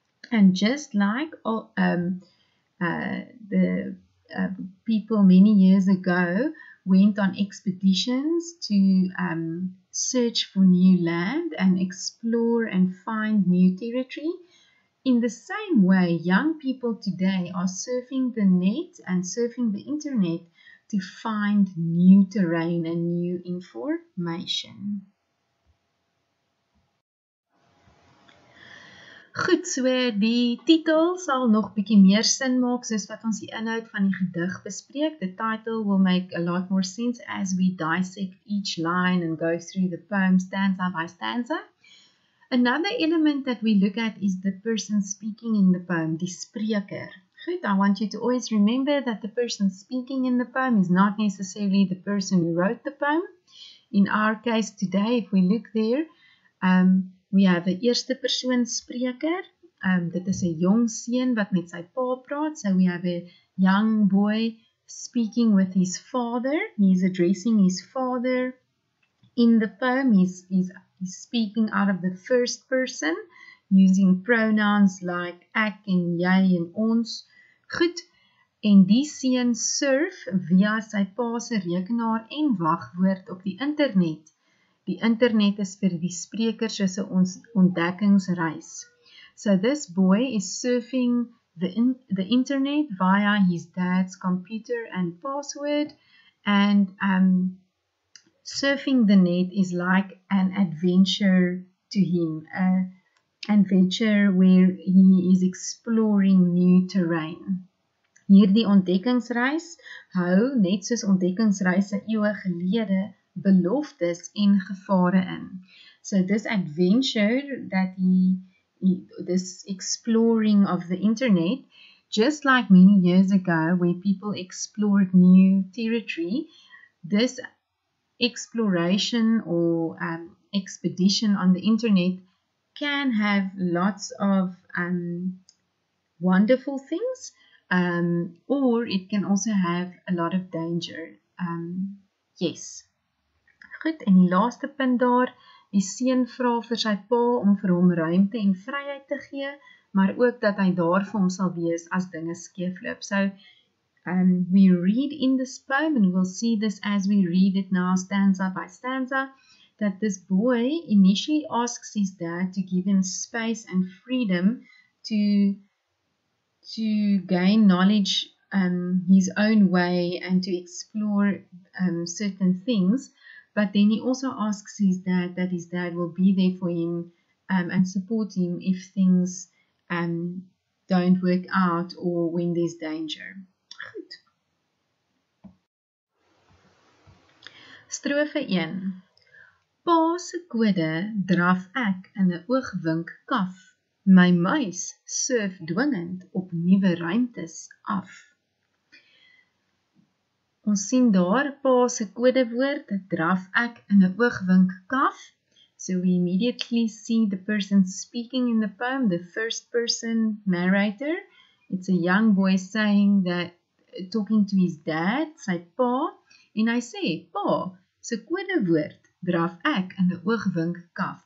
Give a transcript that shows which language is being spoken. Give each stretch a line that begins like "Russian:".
English: And just like people many years ago went on expeditions to search for new land and explore and find new territory, in the same way, young people today are surfing the net and surfing the internet to find new terrain and new information.
Afrikaans: Goed, so die titel sal nog bietjie meer sin maak soos wat ons die inhoud van die gedig bespreek.
English: The title will make a lot more sense as we dissect each line and go through the poem stanza by stanza. Another element that we look at is the person speaking in the poem, die spreker. Goed, I want you to always remember that the person speaking in the poem is not necessarily the person who wrote the poem. In our case today, if we look there, we have
Afrikaans: 'n eerste persoon spreker. Dit is 'n jong seun wat met sy pa praat.
English: So we have a young boy speaking with his father. He's addressing his father in the poem. He's speaking out of the first person, using pronouns like
Afrikaans: ek en jy en ons. Goed, en die seun surf via sy pa se rekenaar en wagwoord op die internet. Die internet is vir die spreker soos 'n ons ontdekkingsreis.
English: So this boy is surfing the internet via his dad's computer and password and surfing the net is like an adventure to him, an adventure where he is exploring new terrain.
Afrikaans: Hierdie ontdekkingsreis hou, net soos ontdekkingsreise eeue gelede, beloftes en gevare in.
English: So this adventure that this exploring of the internet, just like many years ago where people explored new territory, this exploration or expedition on the internet can have lots of wonderful things, or it can also have a lot of danger. Yes.
Afrikaans: Goed, en die laaste punt daar, die seun vra vir sy pa om vir hom ruimte en vryheid te gee, maar ook dat hy daar vir hom sal wees as dinge skeefloop.
English: So, we read in this poem, and we'll see this as we read it now, stanza by stanza, that this boy initially asks his dad to give him space and freedom to gain knowledge his own way and to explore certain things, but then he also asks his dad that his dad will be there for him and support him if things don't work out or when there's danger.
Afrikaans: Strofe 1. Pa se kode draf ek in 'n oogwink kaf. My muis surf dwingend op nuwe ruimtes af. Ons sien daar pa se kodewoord, draf ek in 'n oogwink kaf.
English: So we immediately see the person speaking in the poem, the first person narrator. It's a young boy saying that, talking to his dad,
Afrikaans: sy pa, en hy sê, pa, se kodewoord, draf ek in 'n oogwink kaf.